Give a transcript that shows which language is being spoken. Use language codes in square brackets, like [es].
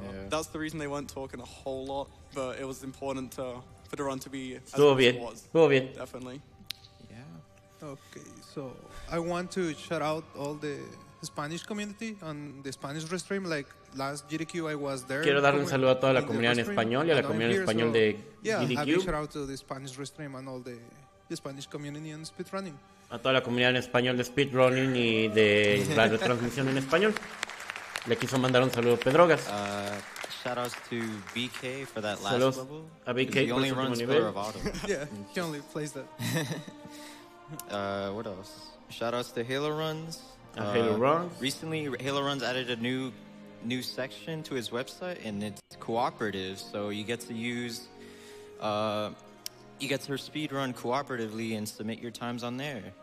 [en] That's the reason they weren't talking a whole lot, but it was important for the run to be as [es] estuvo [en] much [es] bien. [en] As it was. [es] Estuvo bien. [en] Definitely. Yeah. Okay, so I want to shout out all the Spanish community on the Spanish restream, like last GDQ I was there. [es] Quiero dar un saludo a toda la comunidad en español y a la comunidad en español de GDQ. [en] Yeah, shout out to the Spanish restream and all the Spanish community on speedrunning. [es] A toda la comunidad en español de speedrunning y de la retransmisión en español. Le quiso mandar un saludo a Pedrogas. [en] Shout outs to BK for that last level. [es] A BK, [en] the only runs player of autumn. Yeah, he only plays that. What else? Shout outs to Halo Runs. Halo Runs. Recently, Halo Runs added a new section to his website, and it's cooperative, so you get to use you get to speed run cooperatively and submit your times on there.